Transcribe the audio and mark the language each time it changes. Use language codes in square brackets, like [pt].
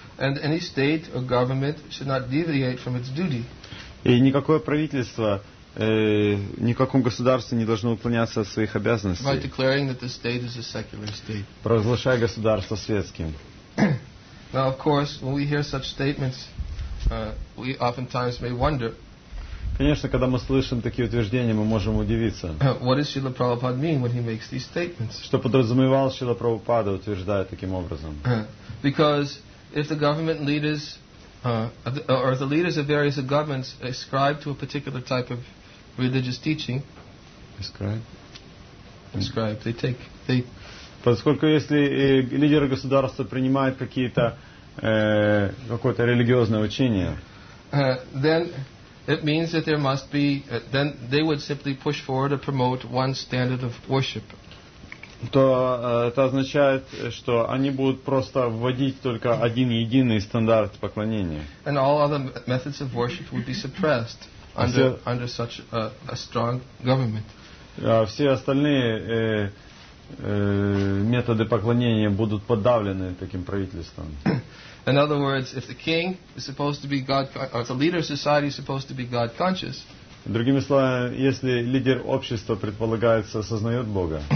[en] And any state or government should not deviate from its duty. [ru] И никакое правительство, никакому государству не должно уклоняться от своих обязанностей. [en] By declaring that the state is a secular state. [ru] Провозглашая государство светским. [en] Now, of course, when we hear such statements, we oftentimes may wonder. [ru] Конечно, когда мы слышим такие утверждения, мы можем удивиться. [en] What does Srila Prabhupada mean when he makes these statements? [ru] Что подразумевал Шрила Прабхупада, утверждая таким образом? [en] Because if the government leaders or the leaders of various governments ascribe to a particular type of religious teaching, ascribe, they take, they. [ru] Поскольку если лидеры государства принимают какое-то религиозное учение, [en] then it means that there must be, then they would simply push forward or promote one standard of worship. [ru] То это означает, что они будут просто вводить только один единый стандарт поклонения. [en] And all other methods of worship would be suppressed under such a strong government. [ru] Все остальные методы поклонения будут подавлены таким правительством. [en] In other words, if the king is supposed to be God, or the leader of society is supposed to be God-conscious, [ru] другими словами, если лидер общества предполагается осознает Бога,